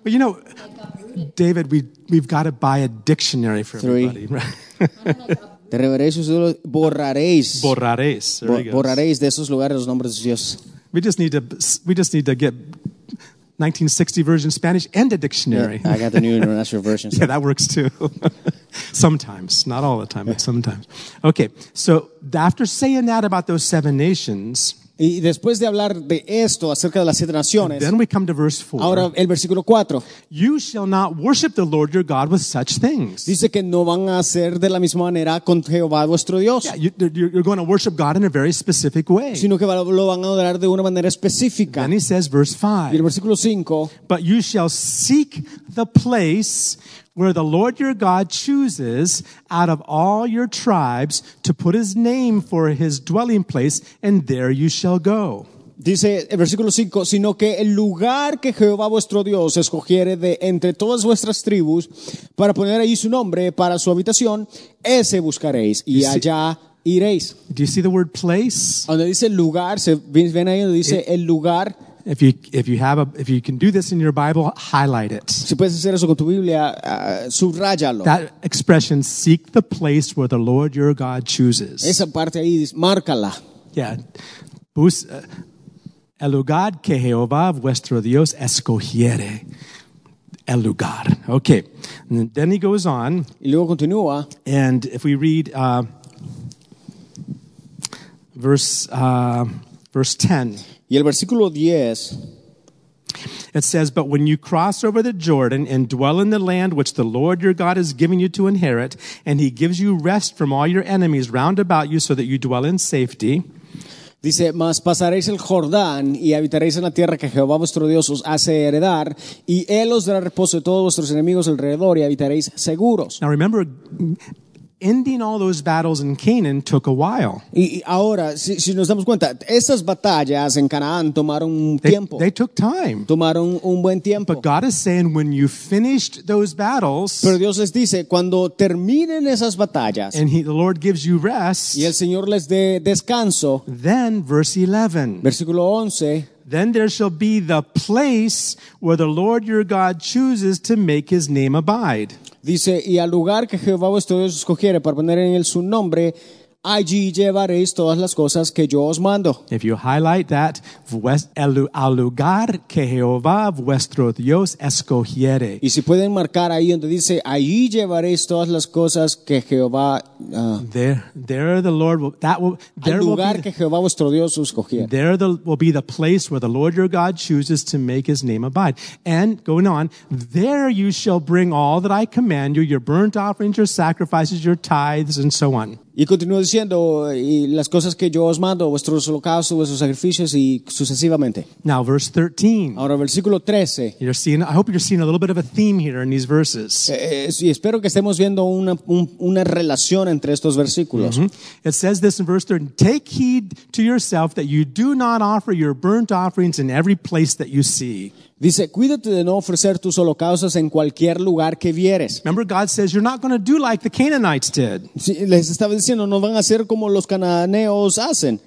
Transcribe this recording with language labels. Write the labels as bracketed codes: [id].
[en] Well, you know, David, we've got to buy a dictionary for three. Everybody. Right? [es] Borraréis. Borraréis. Borraréis de esos lugares los nombres de Dios. [en] We just need to get 1960 version Spanish and a dictionary. Yeah, I got the new international version. Yeah, that works too. Sometimes, not all the time, but sometimes. Okay, so after saying that about those seven nations, [es] y después de hablar de esto acerca de las siete naciones, [en] then we come to verse 4. [es] Ahora el versículo 4. [en] You shall not worship the Lord your God with such things. [es] Dice que no van a hacer de la misma manera con Jehová vuestro Dios. [en] Yeah, you're going to worship God in a very specific way. [es] Sino que lo van a adorar de una manera específica. [en] Then he says verse 5. [es] Y el versículo 5. [en] But you shall seek the place where the Lord your God chooses out of all your tribes to put his name for his dwelling place, and there you shall go. [es] Dice el versículo 5, sino que el lugar que Jehová vuestro Dios escogiere de entre todas vuestras tribus para poner allí su nombre para su habitación, ese buscaréis y allá iréis. [en] Do you see the word place? [es] Donde dice lugar, se ven ahí donde dice el lugar. [en] If you can do this in your Bible, highlight it. [es] Si puedes hacer eso con tu Biblia, subrayalo. [en] That expression, seek the place where the Lord your God chooses. [es] Esa parte ahí, márcala. [en] Yeah. [es] Bus, el lugar que Jehová vuestro Dios escogiere. El lugar. [en] Okay. And then he goes on. [es] Y luego continúa. [en] And if we read verse 10. [es] Y el versículo 10, [en] it says, but when you cross over the Jordan and dwell in the land which the Lord your God is giving you to inherit, and he gives you rest from all your enemies round about you so that you dwell in safety. [es] Dice, mas pasaréis el Jordán y habitaréis en la tierra que Jehová vuestro Dios os hace heredar, y él os dará reposo de todos vuestros enemigos alrededor y habitaréis seguros. [en] Now remember, ending all those battles in Canaan took a while. [es] Y ahora, si nos damos cuenta, esas batallas en Canaán tomaron un tiempo. [en] They took time. [es] Tomaron un buen tiempo. [en] But God is saying, when you finished those battles, [es] pero Dios les dice, cuando terminen esas batallas, [en] and the Lord gives you rest, [es] y el Señor les dé descanso, [en] then verse 11. [es] Versículo 11. [en] Then there shall be the place where the Lord your God chooses to make his name abide. [es] Dice, y al lugar que Jehová vuestro Dios escogiere para poner en él su nombre, allí llevaréis todas las cosas que yo os mando. [en] If you highlight that, [es] al lugar que Jehová vuestro Dios escogiere. Y si pueden marcar ahí donde dice, allí llevaréis todas las cosas que Jehová... [en] There the Lord will... That will there [es] al lugar [en] will be, [es] que Jehová vuestro Dios escogiere. [en] There will be the place where the Lord your God chooses to make his name abide. And going on, there you shall bring all that I command you, your burnt offerings, your sacrifices, your tithes, and so on. [es] Y continúa diciendo, y las cosas que yo os mando, vuestros holocaustos, vuestros sacrificios, y sucesivamente. [en] Now, verse 13. [es] Ahora, versículo 13. [en] I hope you're seeing a little bit of a theme here in these verses. [es] Sí, espero que estemos viendo una relación entre estos versículos. [en] Mm-hmm. It says this in verse 13. Take heed to yourself that you do not offer your burnt offerings in every place that you see. [es] Dice, cuídate de no ofrecer tus holocaustos en cualquier lugar que vieres. [en] Remember, God says you're not going to do like the Canaanites did. [es] Sí, les estaba diciendo, no van a hacer como los cananeos hacen.